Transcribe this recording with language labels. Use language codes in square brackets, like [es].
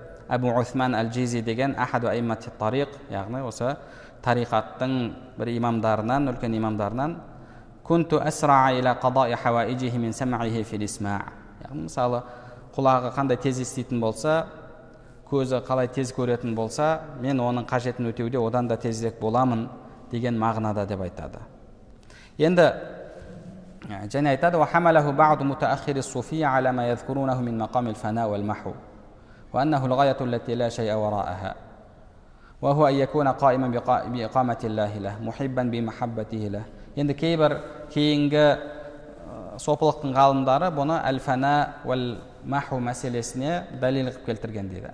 [kk] Абу Усман Аль-Джизи деген [ar] ахаду аиммати тариқ, [kk] яғни осы тариқаттың бір имамдарынан, үлкен имамдарынан. [ar] Кунту асраа иля қадаи хаваиджихи мин самъихи фил исмаъ. [kk] Яғни мысалы, құлағы қандай тез еститін болса, көзі қалай тез көретін болса, мен оның қажетін өтеуде одан да тезірек боламын деген мағынада деп айтады. Енді және айтады, [ar] وحملَهُ بعض متأخر الصوفية على ما يذكرونه من مقام الفناء والمحو وأنه الغاية التي لا شيء وراءها وهو أن يكون قائما بإقامة الله له محبا بمحبته له. [kk] Енді кейбір кейінгі сопылықтың ғалымдары бұны әл-фана уәл-маху мәселесіне дәлел қып келтірген дейді.